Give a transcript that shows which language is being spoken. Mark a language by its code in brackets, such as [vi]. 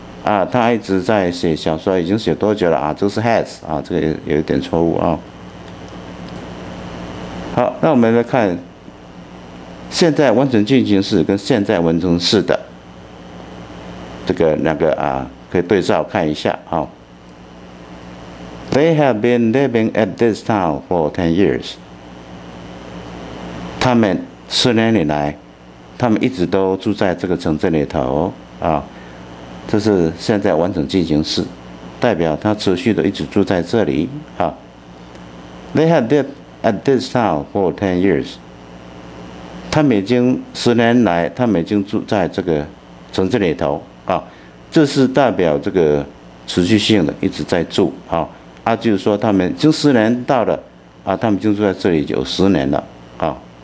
[zh] 啊，他一直在写小说，已经写多久了啊？这个是 has 啊，这个有点错误啊。好，那我们来看现在完成进行式跟现在完成式的这个两个啊，可以对照看一下啊。 [en] They have been living at this town for 10 years. [zh] 他们十年以来，他们一直都住在这个城镇里头啊。这是现在完成进行式，代表他持续的一直住在这里啊。 [en] They have lived at this town for 10 years. [zh] 他们已经十年来，他们已经住在这个城镇里头啊。这是代表这个持续性的一直在住啊。啊，就是说他们就十年到了啊，他们就住在这里有十年了啊。